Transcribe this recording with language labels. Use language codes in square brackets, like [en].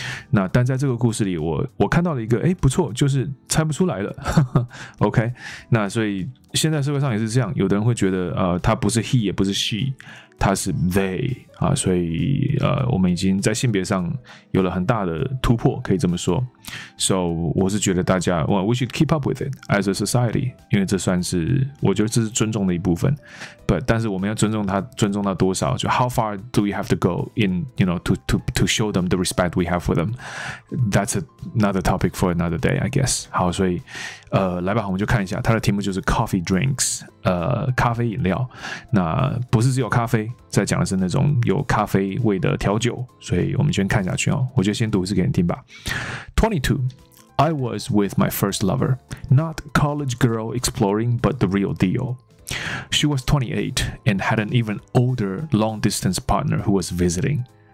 [zh] 那但在这个故事里我看到了一个不错，就是猜不出来了OK， 那所以现在社会上也是这样，有的人会觉得他不是 he 也不是 she，他是 they 啊，所以我们已经在性别上有了很大的突破，可以这么说。 So 我是觉得大家 [en] we should keep up with it as a society， [zh] 因为这算是我觉得这是尊重的一部分。 But 但是我们要尊重他，尊重到多少？ [en] 就 how far do we have to go in you know to show them the respect we have for them？ That's another topic for another day， I guess。 [zh] 好，所以来吧，我们就看一下它的题目就是 coffee drinks。咖啡饮料，那不是只有咖啡，在讲的是那种有咖啡味的调酒，所以我们先看下去哦。我就先读一次给你听吧。 [en] 22. I was with my first lover, not college girl exploring, but the real deal. She was 28 and had an even older long distance partner who was visiting.